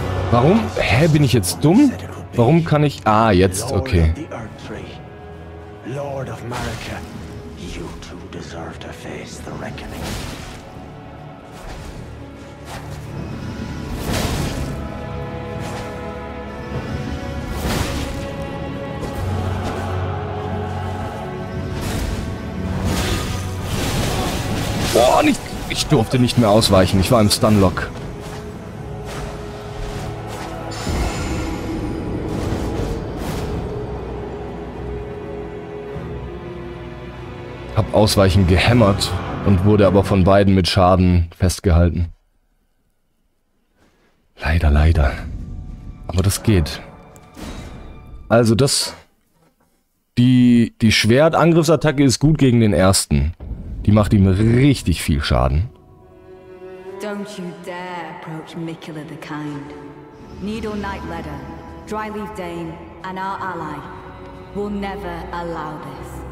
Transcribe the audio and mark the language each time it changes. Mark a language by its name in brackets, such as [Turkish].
[German] Warum? Hä? Bin ich jetzt dumm? Warum kann ich... Ah, jetzt, okay. [English] Lord of America, you too deserve to face the reckoning. [German] Boah, nicht... Ich durfte nicht mehr ausweichen, ich war im Stunlock. Hab ausweichen gehämmert und wurde aber von beiden mit Schaden festgehalten. Leider, leider. Aber das geht. Also das... Die Schwertangriffsattacke ist gut gegen den ersten. Die macht ihm richtig viel Schaden. [English] Don't you dare approach Mikula the Kind. Needle Nightletter, Dryleaf Dane and our ally will never allow this.